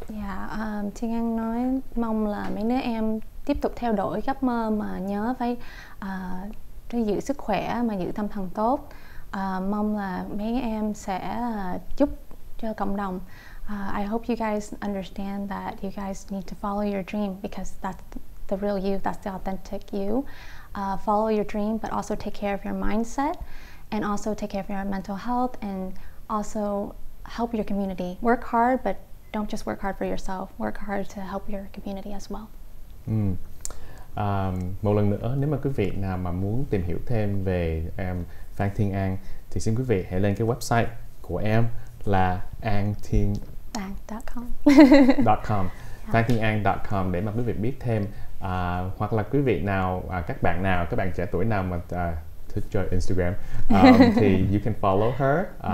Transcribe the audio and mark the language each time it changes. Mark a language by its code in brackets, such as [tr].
[vi] Yeah, Thiên An nói mong là mấy đứa em tiếp tục theo đuổi giấc mơ, mà nhớ phải giữ sức khỏe, mà giữ tâm thần tốt. Mong là mấy em sẽ giúp cho cộng đồng. [en] I hope you guys understand that you guys need to follow your dream, because that's the real you, that's the authentic you. Follow your dream, but also take care of your mindset, and also take care of your mental health, and also help your community. Work hard, but don't just work hard for yourself. Work hard to help your community as well. [vi] Một lần nữa, nếu mà quý vị nào mà muốn tìm hiểu thêm về Phan Thiên An, thì xin quý vị hãy lên cái website của em là anthiên.com. FanThiênAn.com để mà quý vị biết thêm. Hoặc là quý vị nào, các bạn nào, các bạn trẻ tuổi nào mà thích chơi Instagram, thì [en] you can follow her.